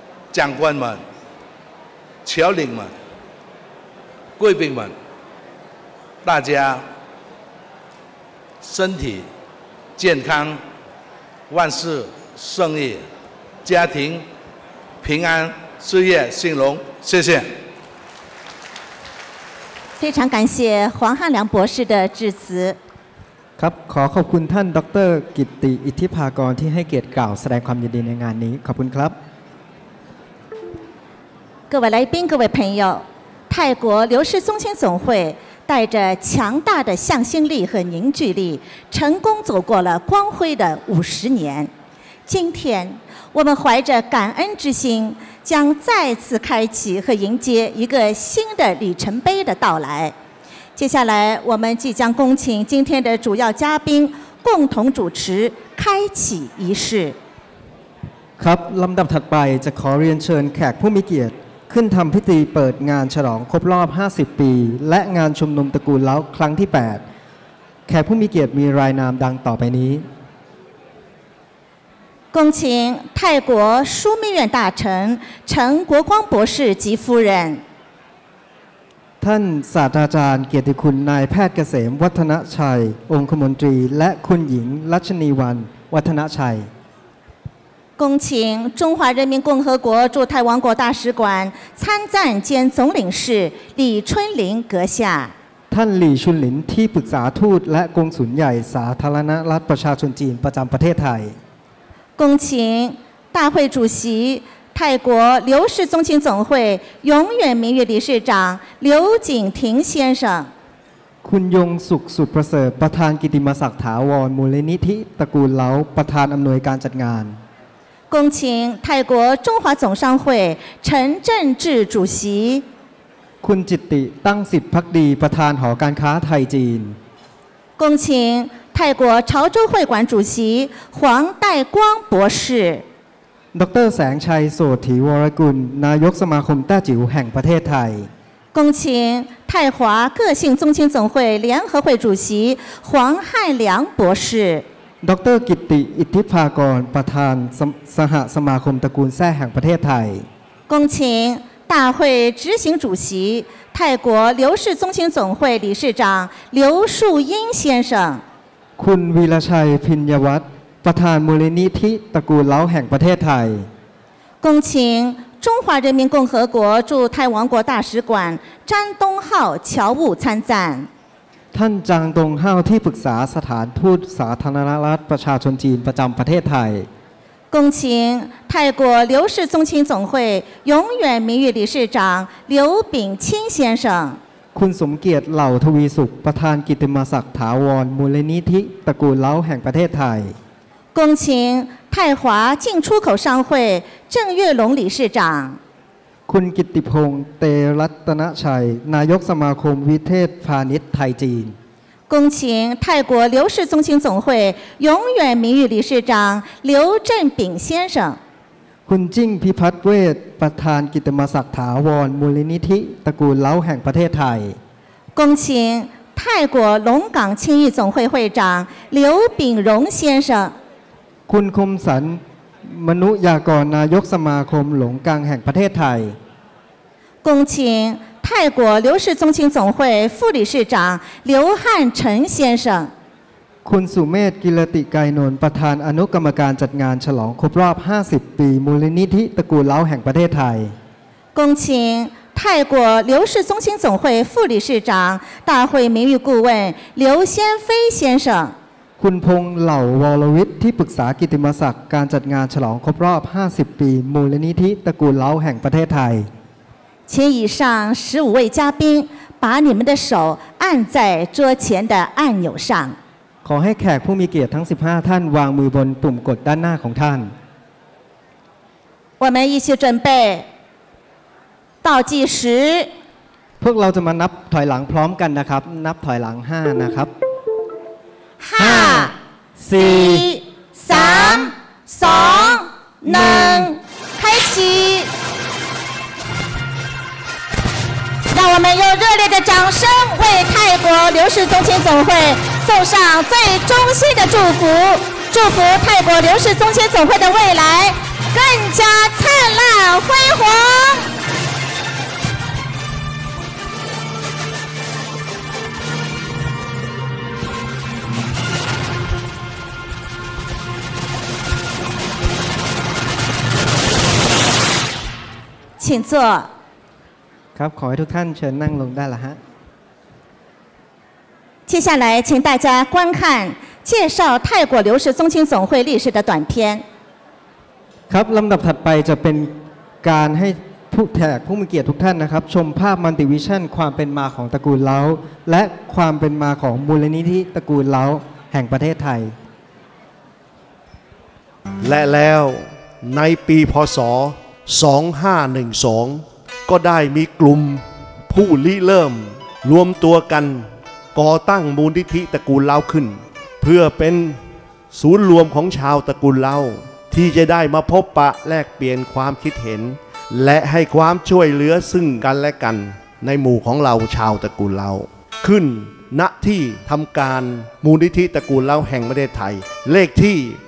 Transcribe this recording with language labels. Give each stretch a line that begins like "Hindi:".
Chinese: 长官们、侨领们、贵宾们，大家身体健康，万事顺意，家庭平安，事业兴隆，谢谢。非常感谢黄汉良博士的致辞。
Thai: ครับขอขอบคุณท่านดร. กิตติ อิทธิภากรที่ให้เกียรติกล่าวแสดงความยินดีในงานนี้ขอบคุณครับ
Chinese: 各位来宾各位朋友泰国刘氏宗亲总会带着强大的向心力和凝聚力成功走过了光辉的50年，今天我们怀着感恩之心将再次开启和迎接一个新的里程碑的到来。接下来我们即将恭请今天的主要嘉宾共同主持开启仪式。
Thai: ครับลำดับถัดไปจะขอเรียนเชิญแขกผู้มีเกียรติขึ้นทำพิธีเปิดงานฉลองครบรอบ50 ปีและงานชุมนุมตระกูลเล้าครั้งที่8แขกผู้มีเกียรติมีรายนามดังต่อไปนี้
Chinese: 恭请泰国枢密院大臣陈国光博士及夫人
Thai: ท่านศาสตราจารย์เกียรติคุณนายแพทย์เกษมวัฒนชัยองคมนตรีและคุณหญิงรัชนีวันวัฒนชัย
Chinese: 恭请中华人民共和国驻泰王国大使馆参赞兼总领事李春林阁下
Thai: ท่านหลี่ชุนหลินที่ปรึกษาทูตและกงสุลใหญ่สาธารณรัฐประชาชนจีนประจำประเทศไทย
Chinese: 恭请大会主席泰国刘氏宗亲总会永远名誉理事长刘景廷先生
Thai: คุณยงสุขสุดประเสริฐประธานกิติมศักดิ์ถาวรมูลนิธิตระกูลเล้าประธานอำนวยการจัดงาน
Chinese: 恭请泰国中华总商会陈振志主席
Thai: คุณจิตติตั้งสิทธิ์ภักดีประธานหอการค้าไทยจีน
Chinese: 恭请泰国潮州会馆主席黄代光博士
Thai: ดร. แสงชัยโสถีวรกุลนายกสมาคมแต้จิ๋วแห่งประเทศไทย
Chinese: 恭请泰华个性宗亲总会联合会主席黄汉良博士
Thai: ดร. กิตติ อิทธิภากรประธานสหสมาคมตระกูลแซ่แห่งประเทศไทย
Chinese: 恭请大会执行主席泰国刘氏宗亲总会理事长刘树英先生
Thai: คุณวีระชัยพิญญวัฒน์ประธานมูลนิธิตระกูลเล้าแห่งประเทศไทย
Chinese: 恭请中华人民共和国驻泰王国大使馆詹东浩侨务参赞
Thai: ท่านจางดงเฮาที่ปรึกษาสถานทูตสาธารณรัฐประชาชนจีนประจำประเทศไทย
Chinese: 恭请泰国刘氏宗亲总会永远名誉理事长刘炳清先生
Thai: คุณสมเกียรติเหล่าทวีสุขประธานกิตติมศักดิ์ถาวรมูลนิธิตระกูลเล้าแห่งประเทศไทย
Chinese: 恭请泰华进出口商会郑月龙理事长
Thai: คุณกิตติพงษ์เตรัตนชัยนายกสมาคมวิเทศพาณิชย์ไทยจีน
Chinese: 恭请泰国刘氏宗亲总会永远名誉理事长刘振炳先生
Thai: คุณจิ้งพิพัฒน์เวชประธานกิตติมศักดิ์ถาวรมูลนิธิตระกูลเล้าแห่งประเทศไทย
Chinese: 恭请泰国龙岗青玉总会会长刘炳荣先生
Thai: คุณคมสันมนุยากรนายกสมาคมหลงกลางแห่งประเทศไทย
Chinese: 恭请泰国刘氏宗亲总会副理事长刘汉臣先生
Thai: คุณสุเมธกิรติไกรนนท์ประธานอนุกรรมการจัดงานฉลองครบรอบ50ปีมูลนิธิตระกูลเล้าแห่งประเทศไทย
Chinese: 恭请泰国刘氏宗亲总会副理事长大会名誉顾问刘先飞先生
Thai: คุณพงษ์เหล่าวรวิทย์ที่ปรึกษากิตติมศักดิ์การจัดงานฉลองครบรอบ50ปีมูลนิธิตระกูลเล้าแห่งประเทศไทย
Chinese: 请以上15位嘉宾把你们的手按在桌前的按钮上
Thai: ขอให้แขกผู้มีเกียรติทั้ง15ท่านวางมือบนปุ่มกดด้านหน้าของท่าน
Chinese: 我们一起准备倒计时
Thai: พวกเราจะมานับถอยหลังพร้อมกันนะครับนับถอยหลัง5นะครับ 5 4
Chinese: 3 2 1 开始让我们用热烈的掌声为泰国刘氏宗亲总会送上最衷心的祝福，祝福泰国刘氏宗亲总会的未来更加灿烂辉煌。请坐。
Thai: ครับขอให้ทุกท่านเชิญนั่งลงได้ละฮะ
Chinese: 接下来请大家观看介绍泰国刘氏宗亲总会历史的短片
Thai: ครับลำดับถัดไปจะเป็นการให้ผู้แขกผู้มีเกียรติทุกท่านนะครับชมภาพมัลติวิชั่นความเป็นมาของตระกูลเล้าและความเป็นมาของมูลนิธิตระกูลเล้าแห่งประเทศไทย และแล้วในปีพ.ศ.2512ก็ได้มีกลุ่มผู้ริเริ่มรวมตัวกันก่อตั้งมูลนิธิตระกูลเล้าขึ้นเพื่อเป็นศูนย์รวมของชาวตระกูลเล้าที่จะได้มาพบปะแลกเปลี่ยนความคิดเห็นและให้ความช่วยเหลือซึ่งกันและกันในหมู่ของเราชาวตระกูลเล้าขึ้นณที่ทำการมูลนิธิตระกูลเล้าแห่งประเทศไทยเลขที่